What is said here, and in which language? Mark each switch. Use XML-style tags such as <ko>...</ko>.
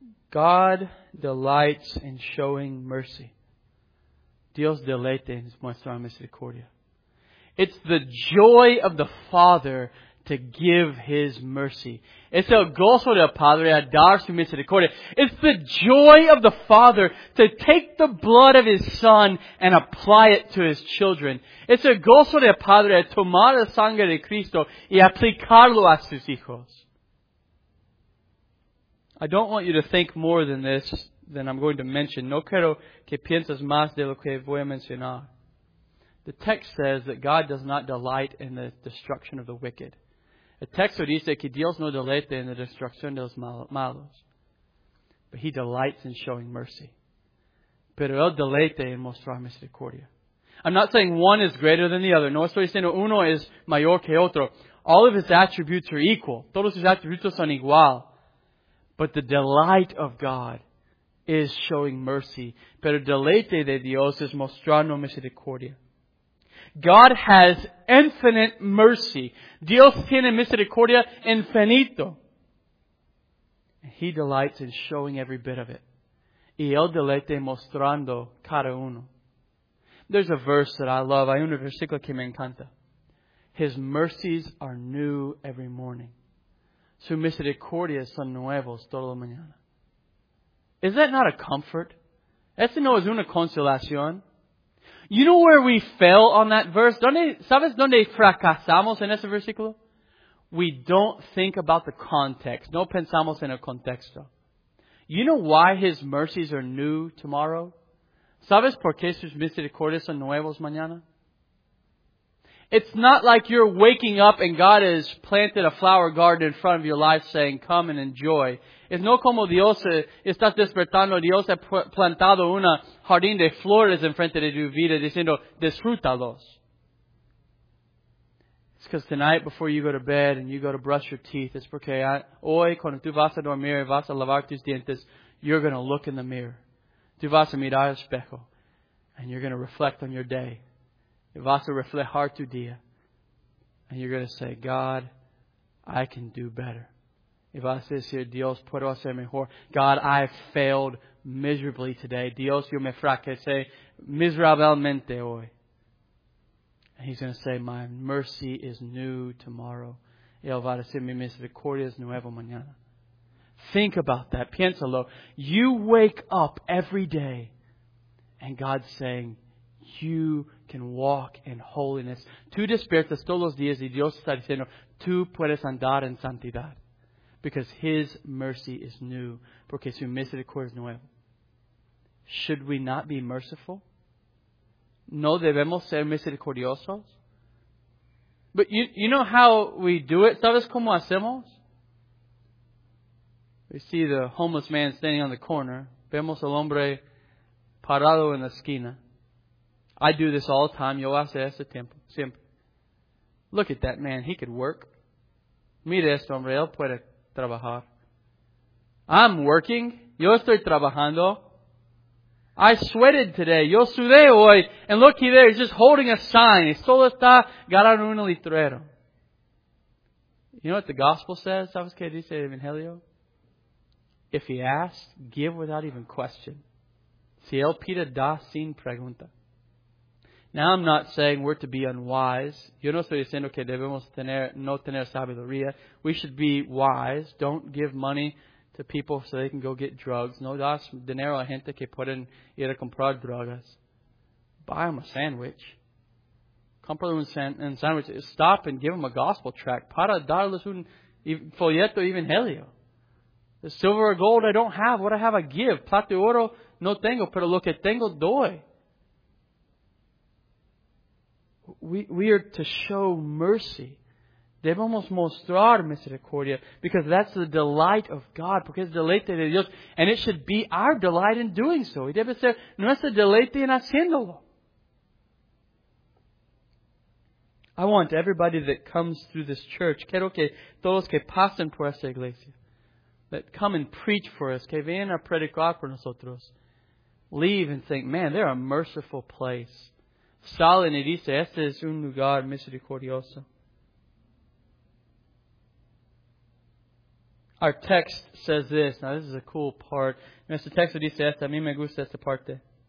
<en>God delights in showing mercy.</en> <es>Dios deleita en mostrar misericordia.</es> <en>It's the joy of the Father to give His mercy.</en> <es>Es el gozo del Padre a dar su misericordia.</es> <en>It's the joy of the Father to take the blood of His Son and apply it to His children.</en> <es>Es el gozo del Padre a tomar la sangre de Cristo y aplicarlo a sus hijos.</es> <en>I don't want you to think more than this, than I'm going to mention.</en> <es>No quiero que pienses más de lo que voy a mencionar.</es> <en>The text says that God does not delight in the destruction of the wicked.</en> <es>El texto dice que Dios no deleita en la destrucción de los malos.</es> <en>But He delights in showing mercy.</en> <es>Pero Él deleita en mostrar misericordia.</es> <en>I'm not saying one is greater than the other.</en> <es>No estoy diciendo uno es mayor que otro.</es> <en>All of His attributes are equal.</en> <es>Todos sus atributos son igual.</es> <en>But the delight of God is showing mercy.</en> <es>Pero el deleite de Dios es mostrando misericordia.</es> <en>God has infinite mercy.</en> <es>Dios tiene misericordia infinito.</es> <en>He delights in showing every bit of it.</en> <es>Y el deleite mostrando cada uno.</es> <en>There's a verse that I love.</en> <es>Hay un versículo que me encanta.</es> <en>His mercies are new every morning.</en> <es>Su misericordia son nuevos toda la mañana.</es> <en>Is that not a comfort?</en> <es>Ese no es una consolación.</es> <en>You know where we fail on that verse?</en> <es>¿Sabes dónde fracasamos en ese versículo?</es> <en>We don't think about the context.</en> <es>No pensamos en el contexto.</es> <en>You know why His mercies are new tomorrow?</en> <es>¿Sabes por qué sus misericordias son nuevos mañana?</es> <en>It's not like you're waking up and God has planted a flower garden in front of your life saying, come and enjoy.</en> <es>Es no como Dios está despertando, Dios ha plantado una jardín de flores en frente de tu vida diciendo, disfrútalos.</es> <en>It's because tonight before you go to bed and you go to brush your teeth, it's</en> <es>porque hoy cuando tú vas a dormir y vas a lavar tus dientes,</es> <en>you're going to look in the mirror.</en> <es>Tú vas a mirar al espejo</es> <en>and you're going to reflect on your day.</en> <es>Vas a reflejar tu día.</es> <en>And you're going to say, God, I can do better.</en> <es>Vas a decir, Dios, puedo hacer mejor.</es> <en>God, I failed miserably today.</en> <es>Dios, yo me fracasé miserablemente hoy.</es> <en>And He's going to say, my mercy is new tomorrow.</en> <es>Él va a decir, mi misericordia es nueva mañana.</es> <en>Think about that.</en> <es>Piénsalo.</es> <en>You wake up every day and God's saying, you can walk in holiness.</en> <es>Tú despiertas todos los días y Dios está diciendo, tú puedes andar en santidad.</es> <en>Because His mercy is new.</en> <es>Porque su misericordia es nueva.</es> <en>Should we not be merciful?</en> <es>¿No debemos ser misericordiosos?</es> <en>But you know how we do it?</en> <es>¿Sabes cómo hacemos?</es> <en>We see the homeless man standing on the corner.</en> <es>Vemos al hombre parado en la esquina.</es> <en>I do this all the time.</en> <es>Yo hace ese tiempo. Siempre.</es> <en>Look at that man. He could work.</en> <es>Mira este hombre. Él puede trabajar.</es> <en>I'm working.</en> <es>Yo estoy trabajando.</es> <en>I sweated today.</en> <es>Yo sudé hoy.</es> <en>And look there. He's just holding a sign.</en> <es>Solo está agarrando un letrero.</es> <en>You know what the gospel says?</en> <es>¿Sabes qué dice el Evangelio?</es> <en>If he asks, give without even question.</en> <es>Si él pide, da sin pregunta.</es> <en>Now I'm not saying we're to be unwise.</en> <es>Yo no estoy diciendo que debemos tener, no tener sabiduría.</es> <en>We should be wise. Don't give money to people so they can go get drugs.</en> <es>No das dinero a gente que pueden ir a comprar drogas.</es> <en>Buy them a sandwich.</en> <es>Compra un sandwich.</es> <en>Stop and give them a gospel tract.</en> <es>Para darles un folleto evangelio.</es> <en>The silver or gold I don't have. What I have I give.</en> <es>Plata de oro no tengo, pero lo que tengo doy.</es> <en>We are to show mercy.</en> <es>Debemos mostrar misericordia.</es> <en>Because that's the delight of God.</en> <es>Porque es deleite de Dios.</es> <en>And it should be our delight in doing so.</en> <es>Y debe ser nuestro deleite en haciéndolo.</es> <en>I want everybody that comes through this church.</en> <es>Quiero que todos que pasen por esta iglesia.</es> <en>That come and preach for us.</en> <es>Que vengan a predicar por nosotros.</es> <en>Leave and think, man, they're a merciful place.</en> <es>Salen y dice, este es un lugar misericordioso.</es> <en>Our text says this. Now, this is a cool part.</en> <es>Nuestro texto dice esto. A mí me gusta esta parte.</es>